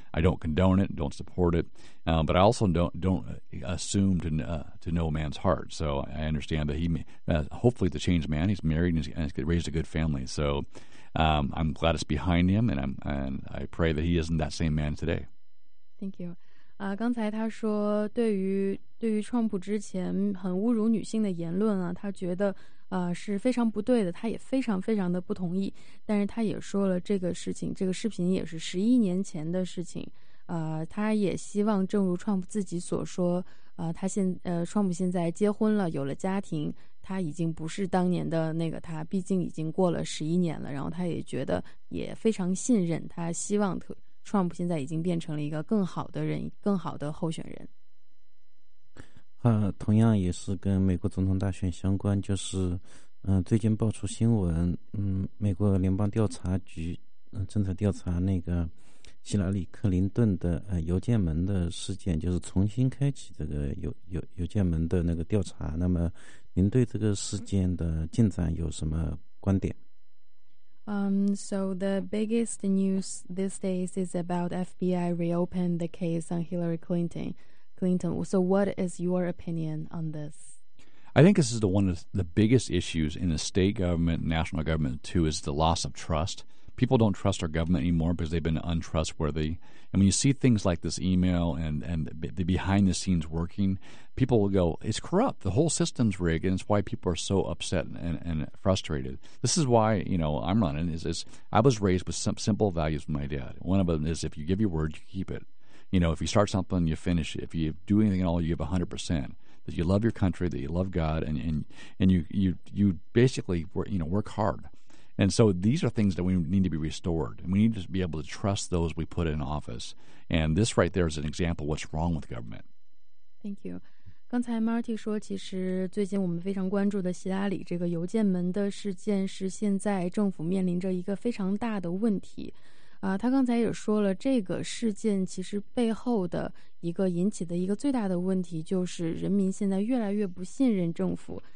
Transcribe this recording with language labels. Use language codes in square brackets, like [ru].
[en] I don't condone it, don't support it, but I also don't assume to know a man's heart. So I understand that he hopefully the changed man. He's married and he's raised a good family. So I'm glad it's behind him, and I pray that he isn't that same man today. Thank you. [zh] 刚才他说对于川普之前很侮辱女性的言论啊，他觉得是非常不对的，他也非常非常的不同意。但是他也说了这个事情，这个视频也是11年前的事情，他也希望正如川普自己所说，川普现在结婚了，有了家庭，他已经不是当年的那个他，毕竟已经过了11年了。然后他也觉得也非常信任，他希望Trump 现在已经变成了一个更好的人，更好的候选人。同样也是跟美国总统大选相关，就是最近爆出新闻，美国联邦调查局正在调查那个希拉里·克林顿的邮件门的事件，就是重新开启这个邮件门的那个调查。那么您对这个事件的进展有什么观点？ [en] So the biggest news these days is about FBI reopen the case on Hillary Clinton. So what is your opinion on this? I think this is one of the biggest issues in the state government, national government too, is the loss of trust. People don't trust our government anymore because they've been untrustworthy. And when you see things like this email and the behind the scenes working, people will go, it's corrupt. The whole system's rigged, and it's why people are so upset and frustrated. This is why, you know, I'm running. I was raised with simple values with my dad. One of them is if you give your word, you keep it. You know, if you start something, you finish it. If you do anything at all, you give 100%. That you love your country, that you love God, and you basically, you know, work hard. And so these are things that we need to be restored. We need to be able to trust those we put in office. And this right there is an example of what's wrong with government. Thank you. [zh] 刚才 Marty 说，其实最近我们非常关注的希拉里这个邮件门的事件是现在政府面临着一个非常大的问题。他刚才也说了，这个事件其实背后的一个引起的一个最大的问题就是人民现在越来越不信任政府。